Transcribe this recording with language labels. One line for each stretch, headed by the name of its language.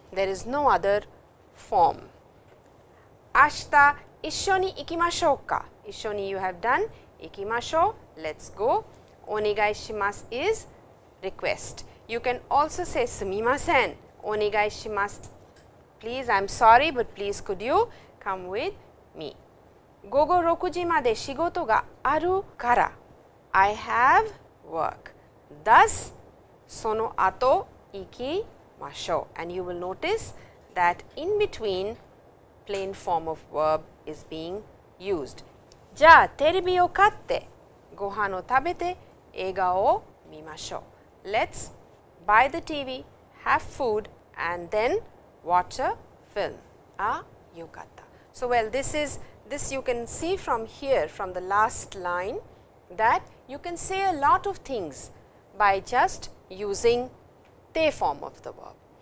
English: There is no other form.
Japanese: Ashita issho ni ikimashou ka? Issho ni
English: you have done.
Japanese: Ikimashou,
English: let's go.
Japanese: Onegai shimasu
English: is request. You can also say
Japanese: sumimasen. Onegai shimasu.
English: Please, I'm sorry, but please could you come with me?
Japanese: 午後6時まで仕事があるから。
English: I have work. Thus,
Japanese: その後行きましょう。
English: And you will notice that in between, plain form of verb is being used.
Japanese: じゃあテレビを買ってご飯を食べて映画を見ましょう。
English: Let's buy the TV, have food and then watch a film.
Japanese: Ah, yokatta.
English: So well, this you can see from here, from the last line, that you can say a lot of things by just using te form of the verb.